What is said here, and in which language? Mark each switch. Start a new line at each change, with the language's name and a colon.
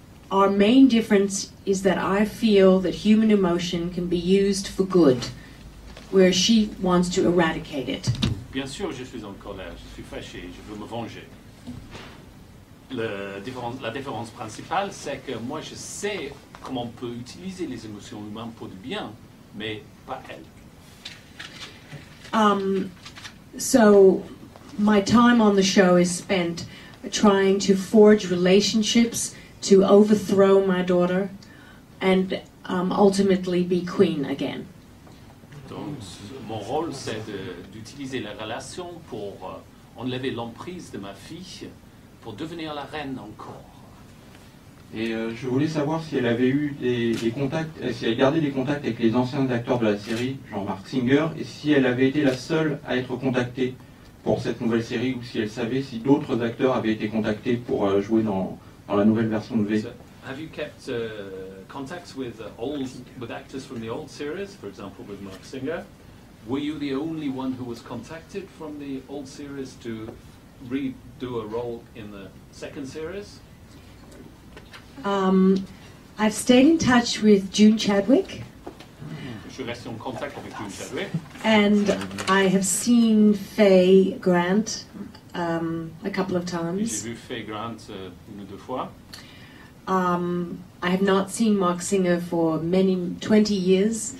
English: Our main difference is that I feel that human emotion can be used for good, where she wants to eradicate it.
French: Bien sûr, je suis en colère, je suis fâché, je veux me venger. La différence principale, c'est que moi, je sais comment on peut utiliser les émotions humaines pour du bien, mais pas elle.
English: So, my time on the show is spent trying to forge relationships to overthrow my daughter and ultimately be queen again.
French: Donc, mon rôle, c'est d'utiliser la relation pour enlever l'emprise de ma fille, pour devenir la reine encore. Et je voulais savoir si elle avait eu des contacts, si elle gardait des contacts avec les anciens acteurs de la série, Jean-Marc Singer, et si elle avait été la seule à être contactée pour cette nouvelle série, ou si elle savait si d'autres acteurs avaient été contactés pour jouer dans la nouvelle version de V.
English: Have you kept contacts with old with actors from the old series, for example, with Mark Singer? Were you the only one who was contacted from the old series to redo a role in the second series? I've stayed in touch with June Chadwick.
French: Je reste en contact avec June Chadwick.
English: And I have seen Faye Grant a couple of times.
French: J'ai vu Faye Grant une ou deux fois.
English: I have not seen Mark Singer for many 20 years.